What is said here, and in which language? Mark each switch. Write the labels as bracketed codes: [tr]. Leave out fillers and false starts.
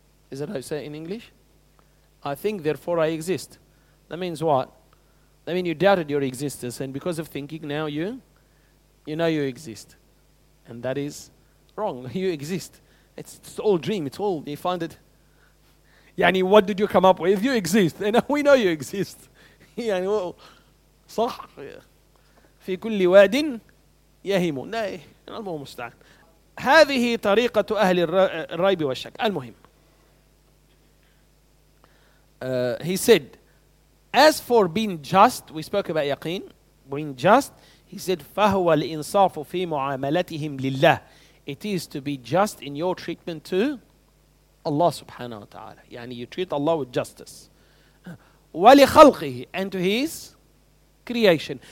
[en] Is that how you say it in English? I think, therefore I exist. That means what? I mean, you doubted your existence, and because of thinking, now you know you exist. And that is wrong. You exist. It's all dream. It's all, you find it. Yani, what did you come up with? You exist. And we know you exist. [ar] Yani, [en] well, [ar] صح في كل واد يهيم. نعم. المهم استعان. هذه طريقة أهل الريب والشك. المهم. [en] He said, as for being just, we spoke about yaqeen, being just, he said, [ar] فَهُوَ الْإِنصَافُ فِي مُعَامَلَتِهِمْ لِلَّهِ. [en] It is to be just in your treatment to Allah subhanahu wa ta'ala. يعني you treat Allah with justice. وَلِخَلْقِهِ, and to His creation.